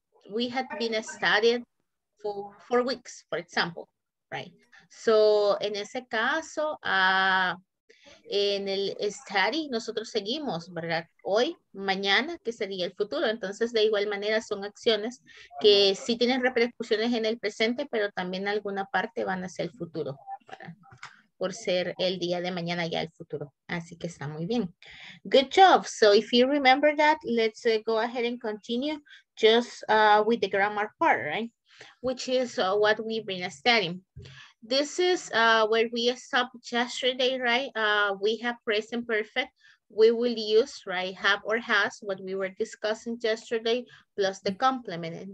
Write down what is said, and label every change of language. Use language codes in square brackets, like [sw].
[en] We had been studied for 4 weeks, for example, right? [es] So en ese caso, en el study, nosotros seguimos, ¿verdad? Hoy, mañana, que sería el futuro. Entonces, de igual manera, son acciones que sí tienen repercusiones en el presente, pero también en alguna parte van a ser el futuro, ¿verdad? Por ser el día de mañana ya el futuro. Así que está muy bien. [en] Good job. So if you remember that, let's go ahead and continue just with the grammar part, right? Which is what we've been studying. This is where we stopped yesterday, right? We have present perfect. We will use, right, have or has, what we were discussing yesterday, plus the complement.